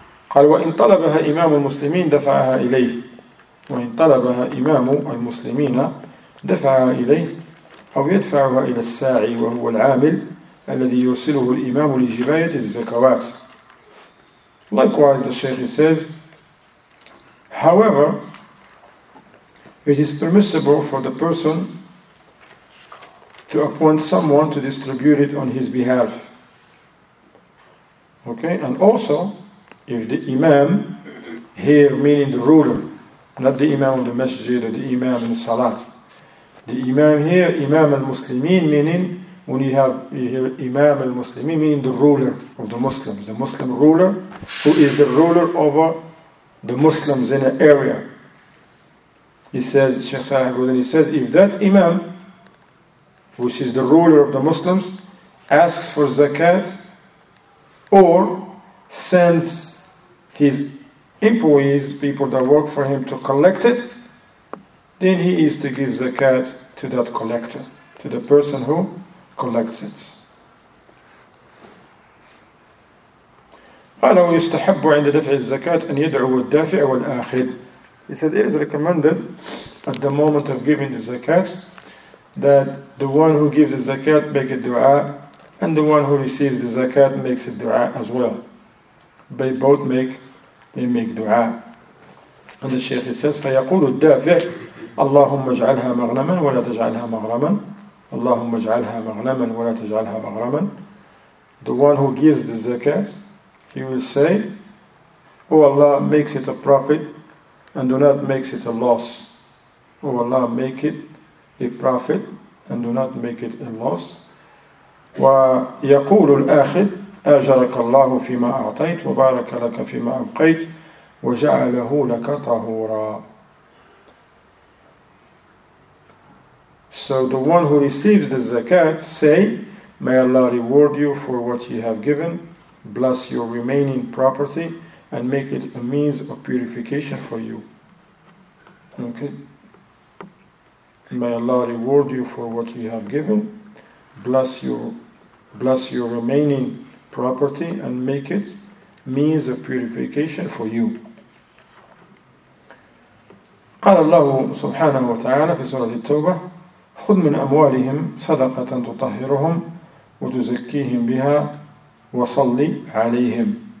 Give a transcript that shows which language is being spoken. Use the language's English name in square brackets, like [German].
[Arabic] قال وإن طلبها إمام المسلمين دفعها إليه وإن طلبها إمام المسلمين دفعها إليه أو يدفعها إلى الساعي وهو العامل الذي يرسله الإمام لجباية الزكوات. [English] Likewise, the Shaykh says, however, it is permissible for the person to appoint someone to distribute it on his behalf. Okay, and also, if the imam, here meaning the ruler, not the imam of the masjid or the imam in the salat, the imam here, imam al-muslimin, meaning when you hear imam al-muslimin, meaning the ruler of the Muslim ruler, who is the ruler over the Muslims in an area. He says, Sheikh Salah Gudin, he says, if that imam, which is the ruler of the Muslims, asks for zakat or sends his employees, people that work for him, to collect it, then he is to give zakat to that collector, to the person who collects it. [Arabic] قال ويستحب عند دفع الزكاة أن يدعو الدافع والآخذ. [English] He says it is recommended at the moment of giving the zakat that the one who gives the zakat make a dua, and the one who receives the zakat makes a dua as well. They both make dua. And the Shaykh says, [Arabic] فَيَقُولُ الدَّافِعُ اللَّهُمَّ اجْعَلْهَا مَغْنَمًا وَلَا تَجْعَلْهَا مَغْرَمًا اللَّهُمَّ اجْعَلْهَا مَغْنَمًا وَلَا تَجْعَلْهَا مَغْرَمًا. [English] The one who gives the zakat, he will say, oh Allah, makes it a profit and do not make it a loss. Oh Allah, make it a profit and do not make it a loss. [Arabic] وَيَقُولُ الْآخِذُ أَجَرَكَ اللَّهُ فِي مَا أَعْطَيْتُ وَبَارَكَ لَكَ فِي مَا أَبْقَيْتُ وَجَعَلَهُ لَكَ طَهُورًا. [English] So the one who receives the zakat say, may Allah reward you for what you have given, bless your remaining property, and make it a means of purification for you. Okay? May Allah reward you for what you have given, bless your remaining property, and make it means of purification for you. [Arabic] قال الله سبحانه وتعالى في سورة التوبة خذ من أموالهم صدقة تطهرهم وتزكيهم بها وصلي عليهم.